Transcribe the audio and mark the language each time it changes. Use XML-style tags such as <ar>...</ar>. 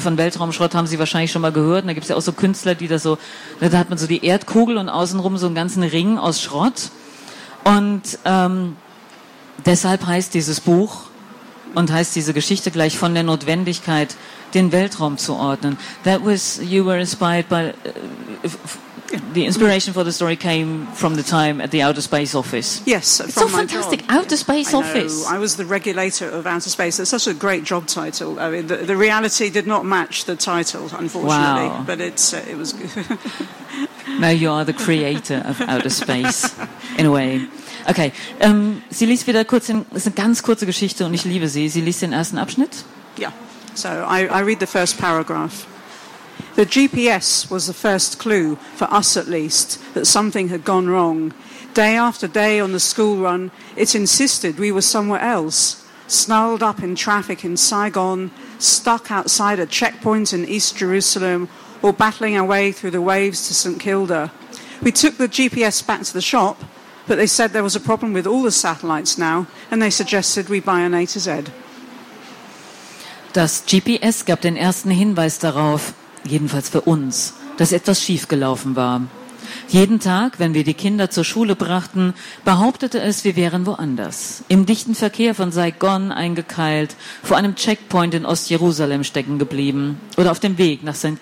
<de>Von Weltraumschrott haben Sie wahrscheinlich schon mal gehört. Und da gibt es ja auch so Künstler, die das so, ne? Da hat man so die Erdkugel und außenrum so einen ganzen Ring aus Schrott. Und deshalb heißt dieses Buch und heißt diese Geschichte gleich von der Notwendigkeit, den Weltraum zu ordnen.</de> <en>That was, you were inspired by, the inspiration for the story came from the time at the Outer Space Office. Yes, it's so fantastic, job. Outer Space I Office. Know. I was the regulator of outer space. It's such a great job title. I mean, the reality did not match the title, unfortunately. Wow. But it's it was. Now you are the creator of outer space, in a way.</en> <de>Okay, sie liest wieder kurz, es ist eine ganz kurze Geschichte und ich liebe sie. Sie liest den ersten Abschnitt?</de> <en>Yeah, so I read the first paragraph. The GPS was the first clue, for us at least, that something had gone wrong. Day after day on the school run, it insisted we were somewhere else, snarled up in traffic in Saigon, stuck outside a checkpoint in East Jerusalem, or battling our way through the waves to St. Kilda. We took the GPS back to the shop, but they said there was a problem with all the satellites now, and they suggested we buy an A to Z.</en> <de>Das GPS gab den ersten Hinweis darauf, jedenfalls für uns, dass etwas schiefgelaufen war. Jeden Tag, wenn wir die Kinder zur Schule brachten, behauptete es, wir wären woanders. Im dichten Verkehr von Saigon eingekeilt, vor einem Checkpoint in Ost-Jerusalem stecken geblieben oder auf dem Weg nach St.</de>